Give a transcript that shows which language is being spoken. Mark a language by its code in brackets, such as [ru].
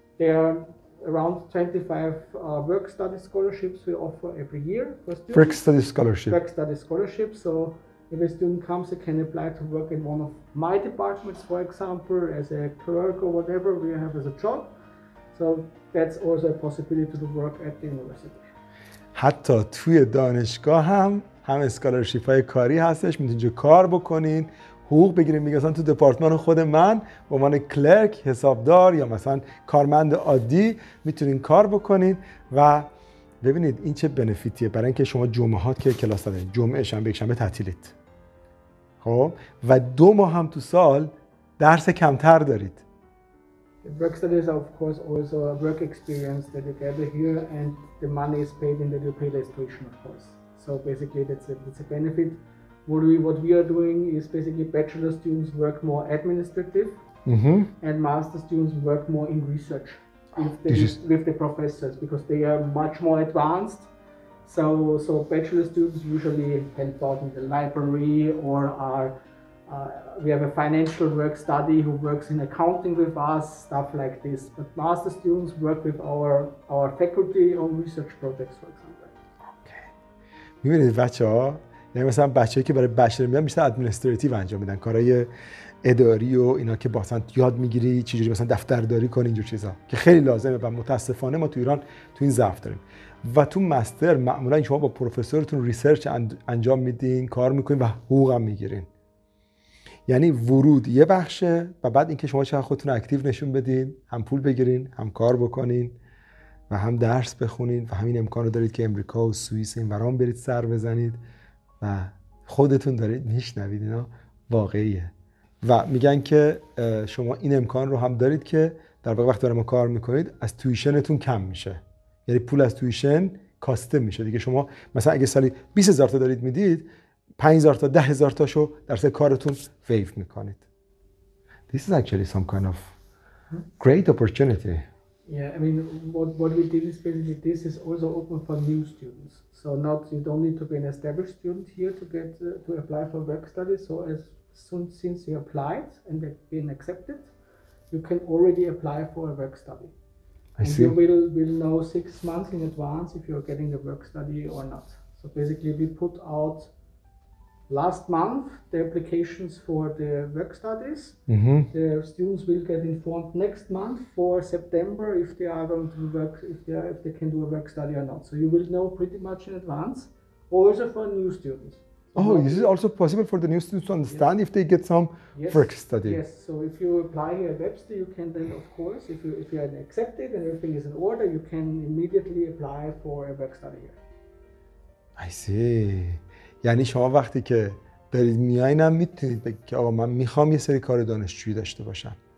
[en] There are around 25 work study scholarships we offer every year for students. Work study scholarship. So if a student comes, he can apply to work in one of my departments, for example, as a clerk or whatever we have as a job. So that's also a possibility to work at the university. [fa] حتی توی دانشگاه هم هم اسکالرشیپ های کاری هستش، میتونید اینجا کار بکنین، حقوق بگیرین. میگه مثلا تو دپارتمان خود من به عنوان کلرک، حسابدار یا مثلا کارمند عادی میتونین کار بکنین. و ببینید این چه بنفیتیه، برای اینکه شما جمعه ها که کلاس دارین، جمعه شنبه یک شنبه تعطیلید، خب، و 2 ماه هم تو سال درس کمتر دارید. [en] Work studies are of course also a work experience that you gather here, and the money is paid in that you pay less tuition, of course. So basically that's a benefit. What we are doing is basically bachelor students work more administrative, mm-hmm. and master students work more in research with the professors, because they are much more advanced. So bachelor students usually help out in the library or are we have a financial work study who works in accounting with us, stuff like this. But master students work with our faculty on research projects, for example. Okay. [fa] می‌بینید بچه‌ها؟ یعنی مثلا بچه‌ای که برای بچلر میاد میشه ادمنستراتیو انجام میدن، کارهای اداری و اینا که باسن یاد میگیری چجوری مثلا دفترداری کنی، اینجور چیزا که خیلی لازمه و متاسفانه ما تو ایران تو این ضعف داریم. و تو مستر معمولا شما با پروفسورتون ریسرچ انجام میدین، کار میکنین و حقوق هم میگیرین. یعنی ورود یه بخشه و بعد اینکه شما چقدر خودتون اکتیو نشون بدین، هم پول بگیرین، هم کار بکنین و هم درس بخونین و همین امکانو دارید که امریکا و سوئیس این ورام برید سر بزنید و خودتون دارید میشنوید، اینا واقعیه. و میگن که شما این امکان رو هم دارید که در واقع وقتی ما کار میکنید از تویشنتون کم میشه، یعنی پول از تویشن کاسته میشه دیگه. شما مثلا اگه سالی 20,000 تا دارید میدید، 5,000 تا 10,000 تاشو در سه کارتون ویو میکنید. [en] This is actually some kind of great opportunity. Yeah, I mean what we did is basically this is also open for new students. So not you don't need to be an established student here to get to apply for work study. So as soon since you applied and have been accepted, you can already apply for a work study. I see. You will know 6 months in advance if you're getting the work study or not. So basically we put out last month the applications for the work studies. Mm-hmm. The students will get informed next month for September if they are going to work, if they can do a work study or not. So you will know pretty much in advance. Also for new students. Oh, this is also possible for the new students to understand, yes. If they get some work study. Yes. So if you apply here at Webster, you can then, of course, if you are accepted and everything is in order, you can immediately apply for a work study here. I see. [fa] یعنی شما وقتی که دارید میایین هم میتونید بگید که آقا من میخوام یه سری کار دانشجویی داشته باشم.